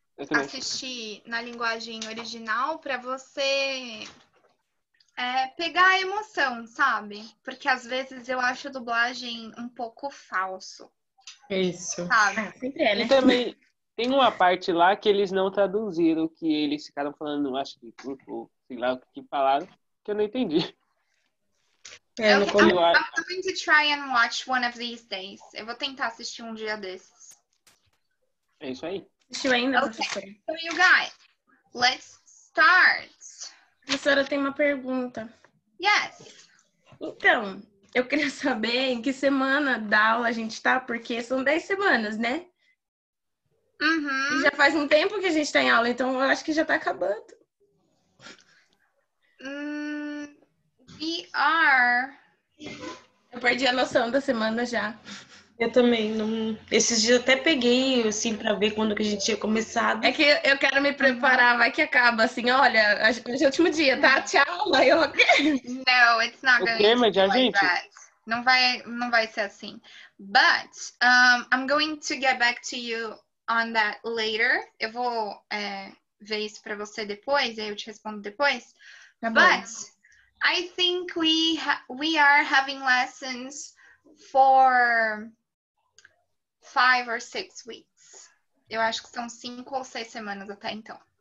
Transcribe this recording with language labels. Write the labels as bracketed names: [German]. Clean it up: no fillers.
[Portuguese] assistir na linguagem original para você pegar a emoção, sabe? Porque às vezes eu acho a dublagem um pouco falso. Isso. Sabe? Sempre é, né? E também tem uma parte lá que eles não traduziram, que eles ficaram falando, acho que grupo, sei lá o que falaram, que eu não entendi. [English] I'm going to try and watch one of these days. [Portuguese] Eu vou tentar assistir um dia desses. É isso aí. Ainda, [English] okay. So you guys, let's start. [Portuguese] Professora, tem uma pergunta. [English] Yes. [Portuguese] Então, eu queria saber em que semana da aula a gente tá, porque são 10 semanas, né? Uhum. E já faz um tempo que a gente tá em aula, então eu acho que já tá acabando. [English] We are... [Portuguese] Eu perdi a noção da semana já. Eu também, esses dias até peguei, assim, pra ver quando que a gente tinha começado. É que eu quero me preparar, vai que acaba, assim, olha, hoje é o último dia, tá? Tchau, vai, ok? [English] No, it's not going to be like that. [Portuguese] Não vai ser assim. [English] But, I'm going to get back to you on that later. [Portuguese] Eu vou ver isso pra você depois, aí eu te respondo depois. Tá bom. [English] But, I think we are having lessons... for 5 or 6 weeks. [Portuguese] Eu acho que são 5 ou 6 semanas até então.